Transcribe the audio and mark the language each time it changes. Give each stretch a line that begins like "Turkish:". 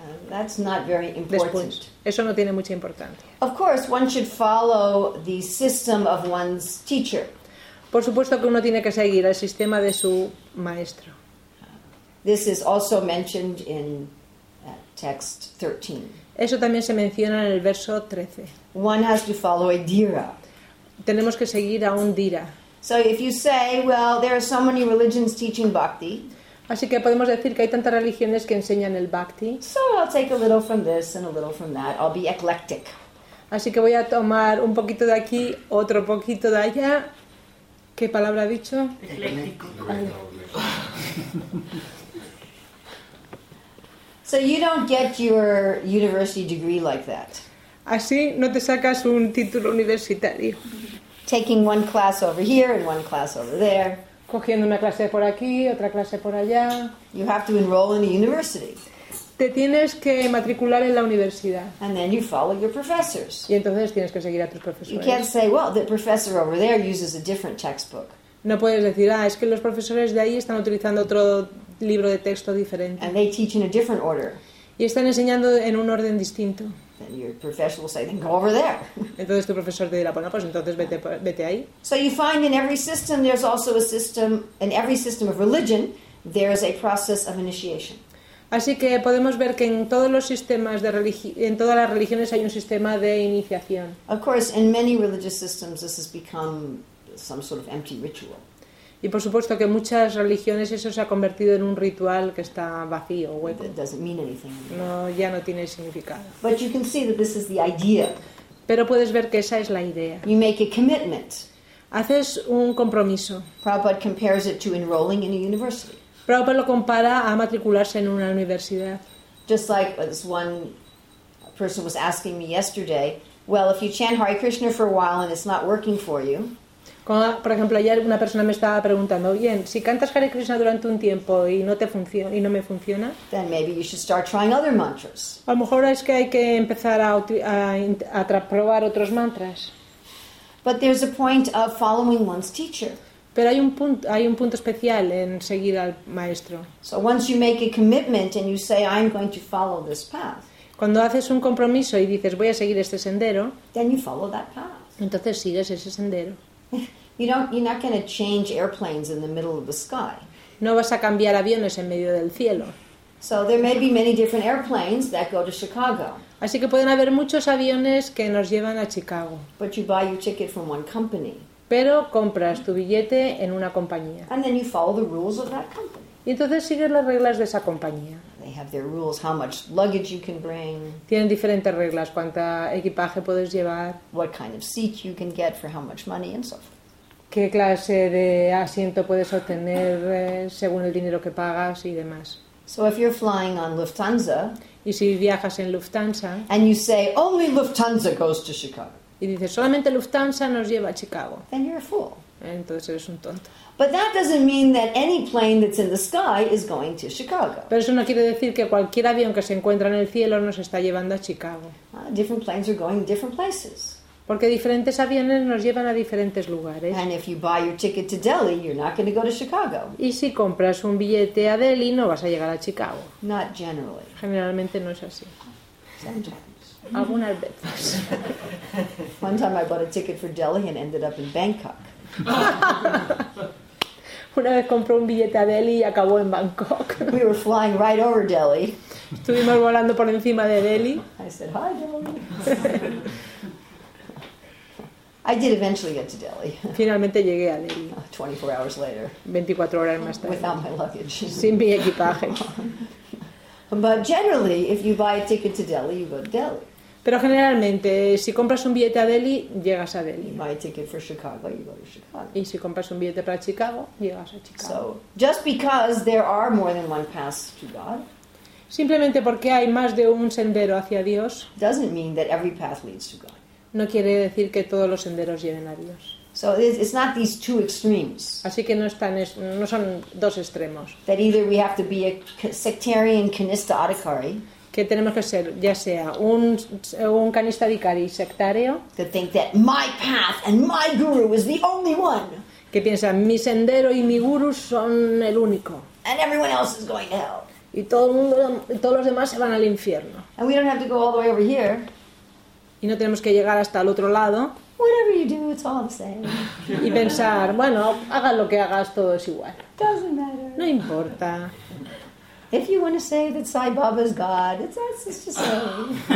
English: That's not very important.
Spanish: Después, eso no tiene mucha importancia.
English: Of course, one should follow the system of one's teacher.
Spanish: Por supuesto que uno tiene que seguir el sistema de su maestro.
English: This is also mentioned in text 13.
Spanish: Eso también se menciona en el verso 13.
English: One has to follow a dhira.
Spanish: Tenemos que seguir a un dhira.
English: So if you say, well, there are so many religions teaching bhakti.
Spanish: Así que podemos decir que hay tantas religiones que enseñan el bhakti.
English: So I'll take a little from this and a little from that. I'll be eclectic.
Spanish: Así que voy a tomar un poquito de aquí, otro poquito de allá. ¿Qué palabra ha dicho? Ecléctico.
English: So you don't get your university degree like that.
Spanish: Así no te sacas un título universitario.
English: taking one class over here and one class over there.
Spanish: Cogiendo una clase por aquí, otra clase por allá.
English: You have to enroll in the university.
Spanish: Te tienes que matricular en la universidad.
English: And then you follow your professors.
Spanish: Y entonces tienes que seguir a tus profesores.
English: You can't say, well, the professor over there uses a different textbook.
Spanish: No puedes decir, ah, es que los profesores de ahí están utilizando otro libro de texto diferente.
English: And they teach in a different order.
Spanish: Y están enseñando en un orden distinto.
English: Then your professor will say, then go over there.
Spanish: Entonces tu profesor te dirá, bueno, pues entonces vete ahí.
English: So you find in every system there's also a system, in every system of religion, there is a process of initiation.
Spanish: Así que podemos ver que en todos los sistemas de en todas las religiones hay un sistema de iniciación.
English: Of course, in many religious systems this has become some sort of empty ritual.
Spanish: Y por supuesto que en muchas religiones eso se ha convertido en un ritual que está vacío, hueco.
English: It doesn't mean anything anymore.
Spanish: No, ya no tiene significado.
English: But you can see that this is the idea.
Spanish: Pero puedes ver que esa es la idea.
English: You make a commitment.
Spanish: Haces un compromiso.
English: Prabhupada compares it to enrolling in a university.
Spanish: Prabhupada lo compara a matricularse en una universidad.
English: Just like this one person was asking me yesterday, well, if you chant Hare Krishna for a while and it's not working for you,
Spanish: como, por ejemplo, ayer una persona me estaba preguntando, bien, si cantas Hare Krishna durante un tiempo y no me funciona,
English: then maybe you should start trying other mantras.
Spanish: A lo mejor es que hay que empezar a probar otros mantras.
English: But there's a point of following one's teacher.
Spanish: Pero hay un punto especial en seguir al maestro.
English: So once you make a commitment and you say, I'm going to follow this path.
Spanish: Cuando haces un compromiso y dices, voy a seguir este sendero,
English: then you follow that path.
Spanish: Entonces sigues ese sendero.
English: You're not going to change airplanes in the middle of the sky.
Spanish: No vas a cambiar aviones en medio del cielo.
English: So there may be many different airplanes that go to Chicago.
Spanish: Así que pueden haber muchos aviones que nos llevan a Chicago.
English: But you buy your ticket from one company.
Spanish: Pero compras tu billete en una compañía.
English: And then you follow the rules of that company.
Spanish: Y entonces sigues las reglas de esa compañía.
English: They have their rules, how much luggage you can bring.
Spanish: Tienen diferentes reglas, cuánta equipaje puedes llevar.
English: What kind of seat you can get for how much money and so forth.
Spanish: Qué clase de asiento puedes obtener según el dinero que pagas y demás.
English: So if you're flying on Lufthansa,
Spanish: y si viajas en Lufthansa,
English: and you say only Lufthansa goes to Chicago,
Spanish: y dices solamente Lufthansa nos lleva a Chicago,
English: then you're a fool.
Spanish: Entonces eres un tonto.
English: But that doesn't mean that any plane that's in the sky is going to Chicago.
Spanish: Pero eso no quiere decir que cualquier avión que se encuentra en el cielo nos está llevando a Chicago.
English: Different planes are going different places.
Spanish: Porque diferentes aviones nos llevan a diferentes lugares.
English: And if you buy your ticket to Delhi, you're not going to go to Chicago.
Spanish: Y si compras un billete a Delhi, no vas a llegar a Chicago.
English: Not generally.
Spanish: Generalmente no es así.
English: Sometimes.
Spanish: Algunas veces.
English: One time I bought a ticket for Delhi and ended up in Bangkok.
Spanish: Una vez compró un billete a Delhi y acabó en Bangkok.
English: We were flying right over Delhi.
Spanish: Estuvimos volando por encima de Delhi.
English: I said, hi, Delhi. I did eventually get to Delhi.
Spanish: Finalmente llegué a Delhi.
English: 24 hours later.
Spanish: 24 horas más tarde.
English: Without my luggage.
Spanish: Sin mi equipaje.
English: But generally, if you buy a ticket to Delhi, you go to Delhi.
Spanish: Pero generalmente, si compras un billete a Delhi, llegas a Delhi.
English: You buy a ticket for Chicago, you go to Chicago.
Spanish: Y si compras un billete para Chicago, llegas a Chicago.
English: So, just because there are more than one path to God,
Spanish: simplemente porque hay más de un sendero hacia Dios,
English: doesn't mean that every path leads to God.
Spanish: No quiere decir que todos los senderos lleven a Dios.
English: So it's not these two extremes.
Spanish: Así que no son dos extremos.
English: That either we have to be a sectarian kanista adhikari,
Spanish: que tenemos que ser ya sea un kanista adhikari sectario,
English: to think that my path and my guru is the only one,
Spanish: que piensa mi sendero y mi guru son el único,
English: and everyone else is going to hell,
Spanish: y todos los demás se van al infierno,
English: and we don't have to go all the way over here,
Spanish: y no tenemos que llegar hasta el otro lado,
English: whatever you do it's all the same,
Spanish: y pensar bueno hagas lo que hagas todo es igual,
English: doesn't matter,
Spanish: no importa.
English: If you want to say that Sai Baba is God, it's just so.